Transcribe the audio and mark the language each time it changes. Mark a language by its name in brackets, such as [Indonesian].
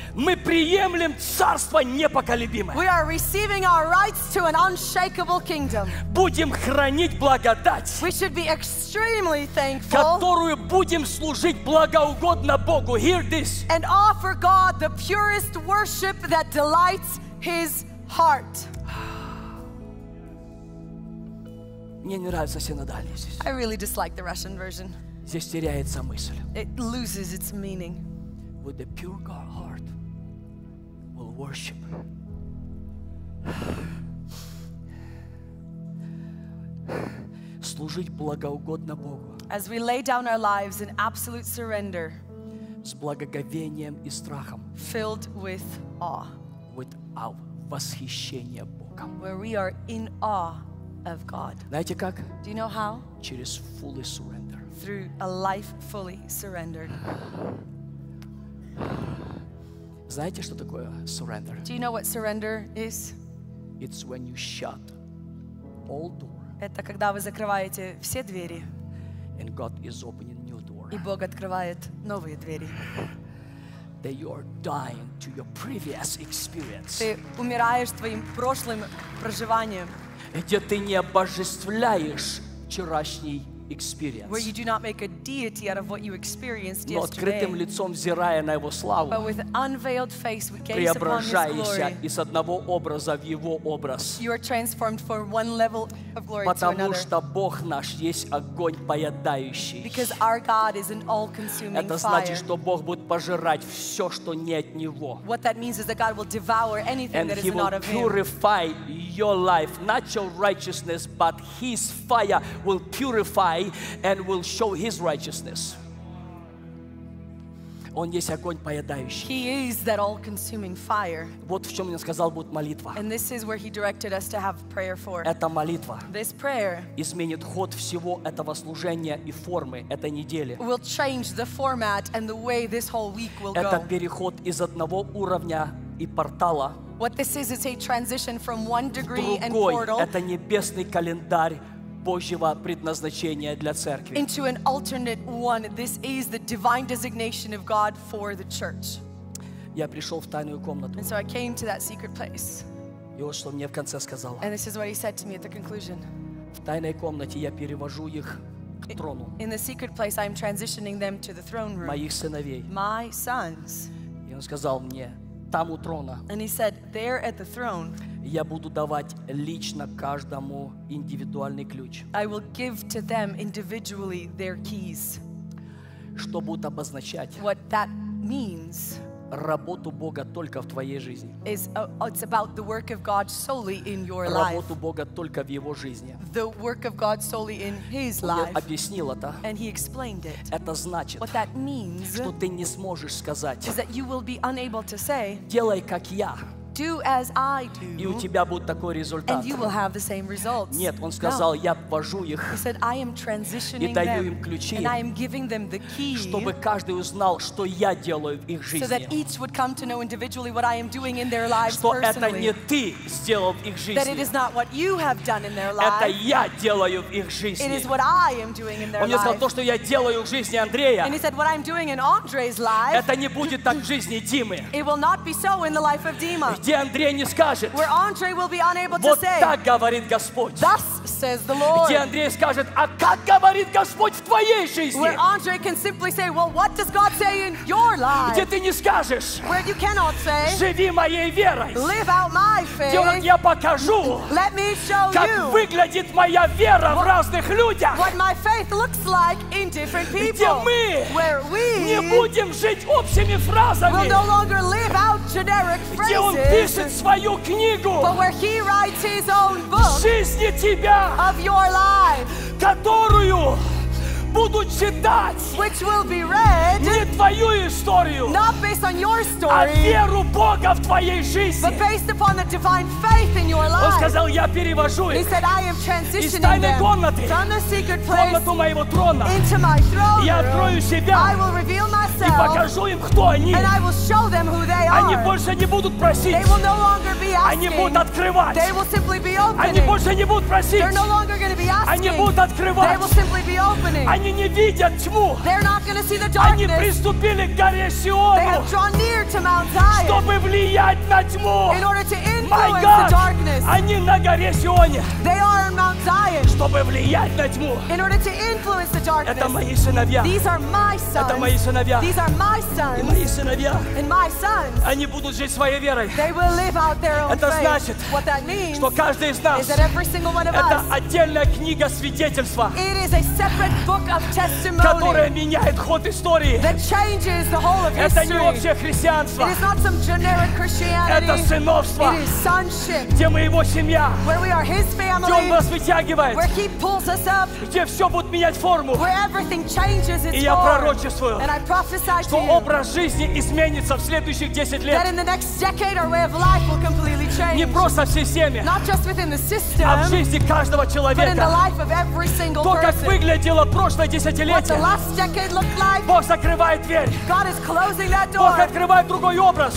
[Russian] мы приемлем царство непоколебимое. [English] We are receiving our rights to an unshakable kingdom. [Russian] Будем хранить благодать. [English] We should be extremely thankful. [Russian] Которую будем служить благоугодно Богу. [English] Hear this. And offer God the purest worship that delights His heart. [Russian] Мне не нравится синодальность здесь. [English] I really dislike the Russian version. [Russian] Здесь теряется мысль. [English] It loses its meaning. With the pure God heart. Worship. [Russian] Служить благоугодно Богу. [English] As we lay down our lives in absolute surrender. [Russian] С благоговением и страхом. [English] Filled with awe. With awe. [Russian] Восхищение Богом. [English] Where we are in awe of God. [Russian] Знаете как? [English] Do you know how? [Russian] Через [English] fully surrender. Through a life fully surrendered. [Russian] Знаете, что такое surrender? [English] Do you know what surrender is? It's when you shut all doors. [Russian] Это когда вы закрываете все двери. [English] And God is opening new door. [Russian] И Бог открывает новые двери. [English] That you are dying to your previous experience. [Russian] Ты умираешь твоим прошлым проживанием. Где ты не обожествляешь вчерашний experience. [English] Where you do not make a deity out of what you experienced [Russian] но [English] yesterday. [Russian] Лицом, взирая на его славу, [English] but with unveiled face we gaze upon his glory. [Russian] Преображаешься из одного образа в его образ. [English] You are transformed from one level of glory [Russian] потому [English] to another. [Russian] Потому что Бог наш есть огонь поедающий. [English] Because our God is an all-consuming [Russian] это значит, Что Бог будет пожирать все, что не от него. [English] What that means is that God will devour anything and that is not of him. And he will purify your life, not your righteousness, but his fire will purify and will show his righteousness. He is that all-consuming fire. [Russian] Вот в чём мне сказал будет молитва. [English] And this is where he directed us to have prayer for. [Russian] Эта молитва. [English] This prayer [Russian] изменит ход всего этого служения и формы этой недели. [English] Will change the format and the way this whole week will go. [Russian] Это переход из одного уровня и портала. [English] What this is a transition from one degree and portal. [Russian] Это небесный календарь Божьего предназначения для церкви. [English] Into an alternate one. This is the divine designation of God for the church. [Russian] Я пришел в тайную комнату. [English] And so I came to that secret place. [Russian] И вот что мне в конце сказал. [English] And this is what he said to me at the conclusion. [Russian] В тайной комнате я перевожу их к трону. [English] In the secret place I am transitioning them to the throne room. [Russian] Моих сыновей. [English] My sons. [Russian] И он сказал мне, там у трона. [English] And he said, there at the throne. [Russian] Я буду давать лично каждому индивидуальный ключ. [English] I will give to them individually their keys. [Russian] Что будет обозначать? [English] What that means? [Russian] Работу Бога только в твоей жизни. [English] Is it's about the work of God solely in your [Russian] работу [English] life. [Russian] Работу Бога только в его жизни. [English] The work of God solely in his life. [Russian] Он объяснил это. [English] And he explained it. [Russian] Это значит, [English] what that means, [Russian] что ты не сможешь сказать, [English] is that you will be unable to say, [Russian] делай как я. [English] do as I do, [Russian] и у тебя будет такой результат. [English] And you will have the same results. [Russian] Нет, он сказал, я ввожу их и даю им ключи, [English] and I am giving them the key, [Russian] чтобы каждый узнал, что я делаю в их жизни. [English] So that each would come to know individually what I am doing in their lives [Russian] что [English] personally. [Russian] Что это не ты сделал в их жизни. [English] That it is not what you have done in their lives. [Russian] Это я делаю в их жизни. [English] It is what I am doing in their lives. [Russian] Он мне сказал, то, что я делаю в жизни Андрея, [English] and he said, what I'm doing in Andre's life, [Russian] это не будет так в жизни Димы. [English] It will not be so in the life of Dima. [Russian] Где Андрей не скажет, [English] where Andre will be unable [Russian] вот [English] to say, [Russian] так говорит Господь. [English] Thus says the Lord. [Russian] Где Андрей скажет, а как говорит Господь в твоей жизни? [English] Where Andre can simply say, well, what does God say in your life? [Russian] Где ты не скажешь, [English] where you cannot say, [Russian] живи моей верой. [English] Live out my faith. [Russian] Где я покажу, [English] let me show [Russian] как [English] you, [Russian] выглядит моя вера в разных людях. [English] What my faith looks like in different people. [Russian] Где мы, [English] where we, [Russian] не будем жить общими фразами. [English] Will no longer live out generic phrases. [Russian] Где он пишет свою книгу, [English] but where he writes his own book, [Russian] жизни тебя, [English] of your life, [Russian] которую будут читать, [English] which will be read, [Russian] не твою историю, [English] not based on your story, [Russian] а веру Бога в твоей жизни, [English] but based upon the divine faith in your life. [Russian] Он сказал, я перевожу их, [English] he said, I am transitioning [Russian] из тайной комнаты, [English] from the secret place, [Russian] комнату моего трона, [English] into my throne room. [Russian] Я открою себя, [English] I will reveal myself, [Russian] и покажу им, кто они, [English] and I will show them who they are. [Russian] Они больше не будут просить, [English] they will no longer be asking. [Russian] Они будут открывать, [English] they will simply be opening. [Russian] Они больше не будут просить, [English] they're no longer going to be asking. [Russian] Они будут открывать, [English] they will simply be opening. [Russian] Они не видят тьму. [English] They're not going to see the darkness. [Russian] Они приступили к горе Сиону. [English] They have drawn near to Mount Zion. [Russian] Чтобы влиять на тьму. [English] In order to influence the darkness. [Russian] Они на горе Сионе. [English] They are on Mount Zion. [Russian] Чтобы влиять на тьму. [English] In order to influence the darkness. [Russian] Это мои сыновья. [English] These are my sons. [Russian] Это мои сыновья. [English] These are my sons. [Russian] И мои сыновья. [English] And my sons. [Russian] Они будут жить своей верой. [English] They will live out their own faith. [Russian] Это значит, [English] what that means, [Russian] что каждый из нас, [English] is that every single one of us, [Russian] это отдельная книга свидетельства. [English] It is a separate book of testimony, [Russian] которая меняет ход истории. [English] That changes the whole of history. [Russian] Это не общее христианство. [English] It is not some generic Christianity. [Russian] Это сыновство. [English] It is sonship. [Russian] Где мы его семья. [English] Where we are his family. [Russian] Где он нас вытягивает. [English] Where he pulls us up. [Russian] Где все будет менять форму. [English] Where everything changes its [Russian] и я [English] form. [Russian] Пророчествую, [English] and I prophesy [Russian] что [English] to you, [Russian] образ жизни изменится в следующих 10 лет. [English] That in the next decade our way of life will completely change. [Russian] Не просто в системе. [English] Not just within the system, [Russian] а в жизни каждого человека. [English] But in the life of every single [Russian] то, [English] person. [Russian] То, как выглядело прошлое десятилетие. [English] Like, [Russian] Бог закрывает дверь. [English] God is closing that door. [Russian] Бог открывает другой образ.